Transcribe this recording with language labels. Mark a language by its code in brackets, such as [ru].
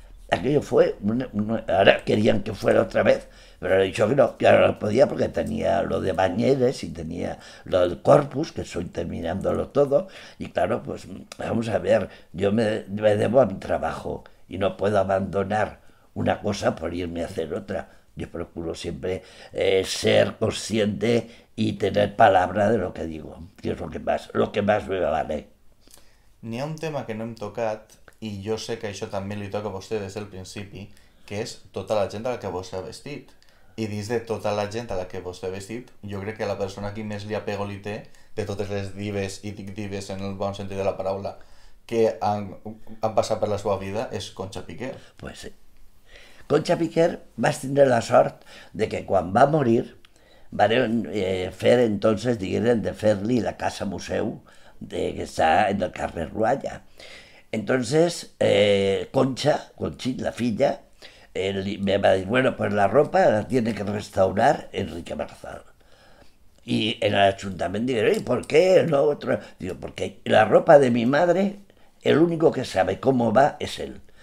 [es] Aquello fue, ahora querían que fuera otra vez, pero he dicho que no, que ahora no podía porque tenía lo de Bañeres y tenía lo del Corpus, que estoy terminándolo todo, y claro, pues vamos a ver, yo me debo a mi trabajo y no puedo abandonar una cosa por irme a hacer otra. Yo procuro siempre ser consciente y tener palabra de lo que digo, que es lo que más me vale. [ca] Ni a un tema que no hem tocat, i jo sé que això també li toca a vostè des del principi, que és tota la gent a la que vostè ha vestit. I dins de tota la gent a la que vostè ha vestit, jo crec que la persona que més li apego li té, de totes les dives, i dic dives en el bon sentit de la paraula, que han passat per la seva vida, és Concha Piquer. [es] Pues sí. [ca] Concha Piquer va tindre la sort de que quan va morir, van fer entonces, digueren, de fer-li la Casa Museu, que està en el carrer Rualla. [es] Entonces, Conchita, la filla, me va a decir, bueno, pues la ropa la tiene que restaurar Enrique Marzal. Y en el ayuntamiento digo, ¿y por qué no otro? Digo, porque la ropa de mi madre, el único que sabe cómo va es él.